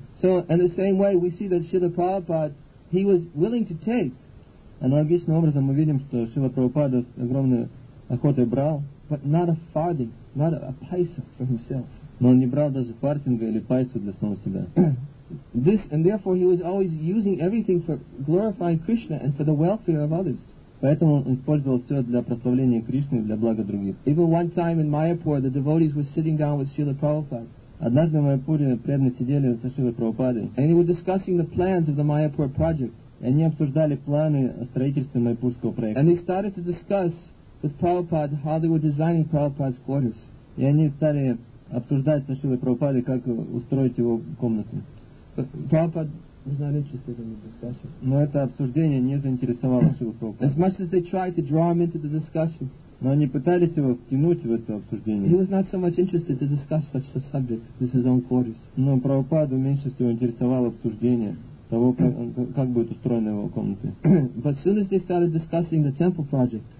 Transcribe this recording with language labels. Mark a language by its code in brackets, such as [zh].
[en] So, in the same way, we see that Srila Prabhupada, he was willing to take. [ru] Аналогичным образом мы видим, что Шрила Прабхупада с огромной охотой брал, [en] but not a farthing, not a paisa for himself. [ru] Но он не брал даже фартинга или пайсу для самого себя. [en] This and therefore he was always using everything for glorifying Krishna and for the welfare of others. [ru] Поэтому он использовал все для прославления Кришны и для блага других. [en] Even one time in Mayapur, the devotees were sitting down with Srila Prabhupada. [ru] Однажды в Майяпуре преданные сидели со Шрилой Прабхупадой. [en] And they were discussing the plans of the Mayapur project. [ru] И они обсуждали планы строительства Майяпурского проекта. [en] And they started to discuss with Prabhupada how they were designing Prabhupada's quarters. [ru] И они стали обсуждать со Шрилой Прабхупадой, как устроить его комнату. [en] Prabhupada was not interested in the discussion. [ru] Но это обсуждение не заинтересовало Шрилу Прабхупаду. [en] As much as they tried to draw him into the discussion, [ru] но они пытались его втянуть в это обсуждение. [en] He was not so much interested to discuss such a subject, this his own quarters. [ru] Но Прабхупаду меньше всего интересовало обсуждение того, как будет устроена его комната. [en] But soon as they started discussing the temple project,